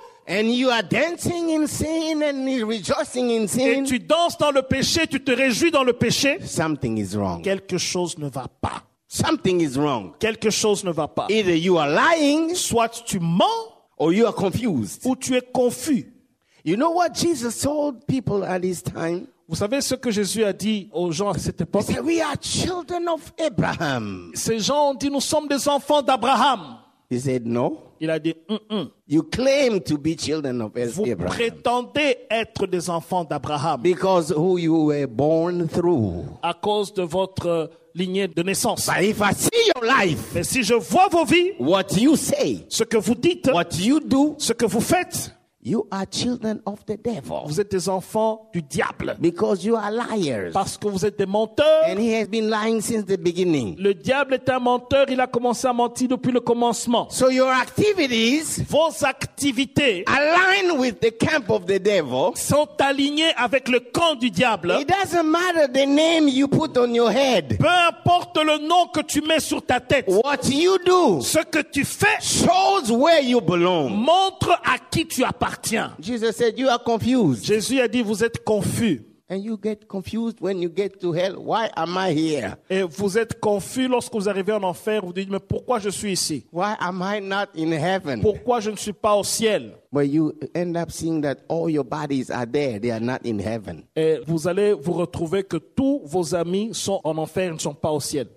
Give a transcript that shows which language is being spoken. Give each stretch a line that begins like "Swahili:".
English: And you are dancing in sin and rejoicing in sin.
French: Et tu danses dans le péché, tu te réjouis dans le péché.
English: Something is wrong.
French: Quelque chose ne va pas.
English: Something is wrong.
French: Quelque chose ne va pas.
English: Either you are lying,
French: soit tu mens,
English: or you are confused.
French: Ou tu es confus.
English: You know what Jesus told people at his time?
French: Vous savez ce que Jésus a dit aux gens à cette époque?
English: He said, "We are children of Abraham."
French: Ces gens ont dit, nous sommes des enfants d'Abraham.
English: He said, "No."
French: Il a dit,
English: You claim to be children of
French: Vous
English: Abraham.
French: Prétendez être des enfants d'Abraham.
English: Because who you were born through.
French: À cause de votre lignée de naissance.
English: But if I see your life,
French: mais si je vois vos vies,
English: what you say,
French: ce que vous dites,
English: what you do,
French: ce que vous faites,
English: you are children of the devil.
French: Vous êtes des enfants du diable.
English: Because you are liars.
French: Parce que vous êtes des menteurs.
English: And he has been lying since the beginning.
French: Le diable est un menteur, il a commencé à mentir depuis le commencement.
English: So your activities,
French: vos activités,
English: align with the camp of the devil,
French: sont alignées avec le camp du diable.
English: It doesn't matter the name you put on your head.
French: Peu importe le nom que tu mets sur ta tête.
English: What you do,
French: ce que tu fais,
English: shows where you belong.
French: Montre à qui tu appartiens.
English: Jesus said, "You are confused."
French: Jésus a dit, vous êtes confus.
English: And you get confused when you get to hell. Why am I here?
French: Et vous êtes confus lorsque vous arrivez en enfer. Vous dites, mais pourquoi je suis ici?
English: Why am I not in heaven?
French: Pourquoi je ne suis pas au ciel?
English: But you end up seeing that all your bodies are there. They are not in heaven.
French: Et vous allez vous retrouver que tous vos amis sont en enfer, ils ne sont pas au ciel.